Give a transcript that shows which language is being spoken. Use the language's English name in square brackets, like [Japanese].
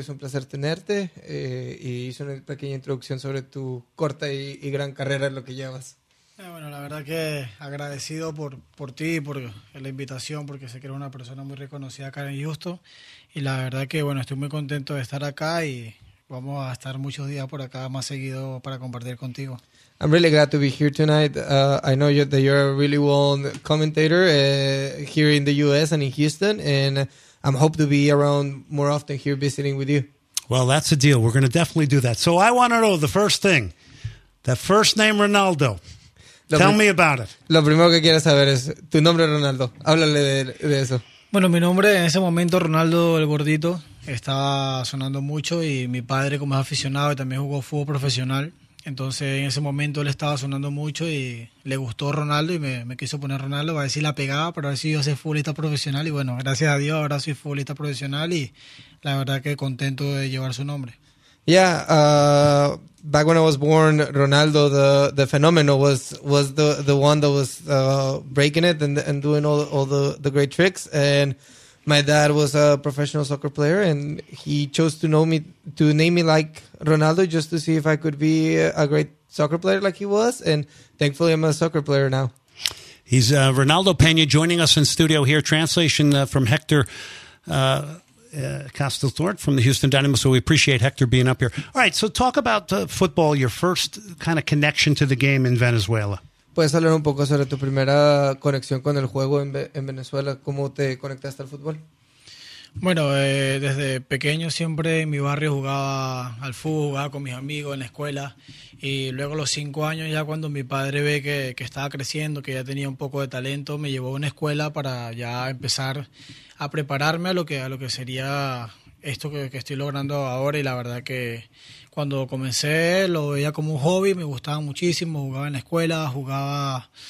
[Spanish] Es un placer tenerte. Y hice una pequeña introducción sobre tu corta y gran carrera en lo que llevas. Bueno, la verdad que agradecido por ti y por la invitación, porque sé que eres una persona muy reconocida acá en Houston. Y la verdad que, bueno, estoy muy contento de estar acá y vamos a estar muchos días por acá más seguido para compartir contigo. [English] I'm really glad to be here tonight. I know that you're a really well-known commentator here in the U.S. and in Houston, and I'm hope to be around more often here visiting with you. Well, that's a deal. We're going to definitely do that. So I want to know the first thing, the first name Ronaldo. Tell me about it. [Spanish] Lo primero que quieres saber es tu nombre, Ronaldo. Háblale de eso. Bueno, mi nombre en ese momento, Ronaldo el Gordito, estaba sonando mucho y mi padre, como es aficionado y también jugó fútbol profesional, entonces en ese momento él estaba sonando mucho y le gustó Ronaldo y me quiso poner Ronaldo, a ver si la pegaba, para ver si iba a ser futbolista profesional. Y bueno, gracias a Dios, ahora soy futbolista profesional y la verdad que contento de llevar su nombre. [English] Yeah, back when I was born, Ronaldo, the phenomenon was the one that was breaking it and doing all the great tricks. And my dad was a professional soccer player, and he chose to name me like Ronaldo, just to see if I could be a great soccer player like he was. And thankfully, I'm a soccer player now. He's Ronaldo Peña joining us in studio here. Translation from Hector Castelthorpe from the Houston Dynamo. So we appreciate Hector being up here. All right, so talk about football, your first kind of connection to the game in Venezuela. [Spanish] ¿Puedes hablar un poco sobre tu primera conexión con el juego en Venezuela? ¿Cómo te conectaste al fútbol? Bueno, desde pequeño siempre en mi barrio jugaba al fútbol, jugaba con mis amigos en la escuela. Y luego a los 5 años, ya cuando mi padre ve que estaba creciendo, que ya tenía un poco de talento, me llevó a una escuela para ya empezar a prepararme a lo que sería esto que estoy logrando ahora. Y la verdad que cuando comencé lo veía como un hobby, me gustaba muchísimo, jugaba en la escuela, jugaba